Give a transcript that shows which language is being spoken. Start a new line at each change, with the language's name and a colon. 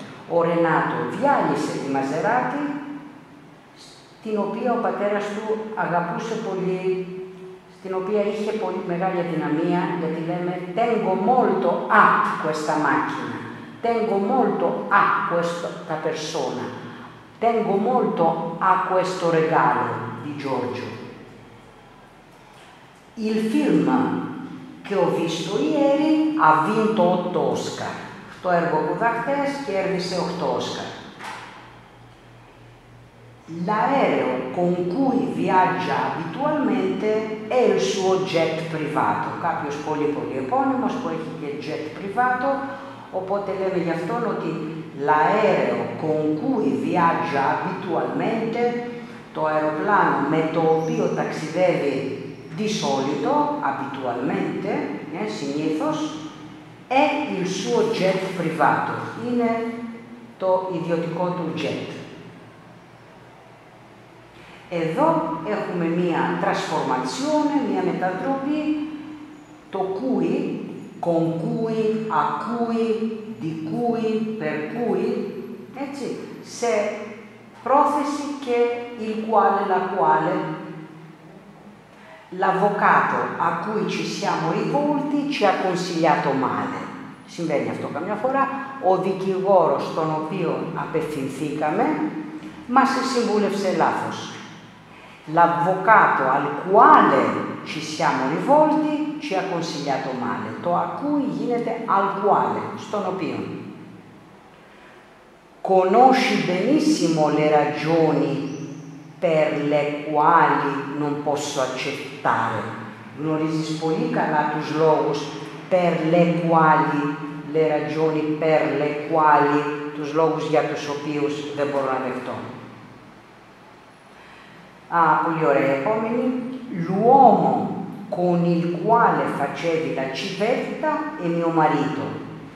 Greek: Ο Renato διάλυσε τη Maserati, την οποία ο πατέρας του αγαπούσε πολύ, στην οποία είχε πολύ μεγάλη αδυναμία, γιατί λέμε
Italian: «Tengo molto a questa macchina», «Tengo molto a questa persona», «Tengo molto a questo regalo»
Greek: di Giorgio.
Italian: Il film che ho visto ieri ha vinto 8 Oscar.
Greek: Το έργο που είδα χθες κέρδισε 8 Oscar.
Italian: L'aereo con cui viaggia abitualmente è il suo jet privato.
Greek: Κάποιος πολύ πολύ επώνυμος που έχει και jet privato, οπότε λέμε γι' αυτόν ότι
Italian: l'aereo con cui viaggia abitualmente,
Greek: το αεροπλάνο με το οποίο ταξιδεύει
Italian: di solito, abitualmente,
Greek: συνήθως,
Italian: è il suo jet privato.
Greek: Είναι το ιδιωτικό του jet. Εδώ έχουμε μία τρασφορμαζιόνε, μία μετατροπή, το cui, con cui, a cui, di cui, per cui, έτσι, σε πρόθεση και il quale, la quale.
Italian: L'avvocato a cui ci siamo rivolti ci ha consigliato male.
Greek: Συμβαίνει αυτό καμιά φορά. Ο δικηγόρος τον οποίο απευθυνθήκαμε μας συμβούλευσε λάθος.
Italian: L'avvocato al quale ci siamo rivolti ci ha consigliato male.
Greek: Το a cui γίνεται al quale, στον οποίο.
Italian: Conosci benissimo le ragioni per le quali non posso accettare.
Greek: Γνωρίζεις πολύ καλά τους λόγους
Italian: per le quali, le ragioni per le quali,
Greek: τους λόγους για τους οποίους δεν μπορώ να δεχτώ. Α, πολύ ωραία επόμενη.
Italian: L'uomo con il quale facevi la civetta è mio marito.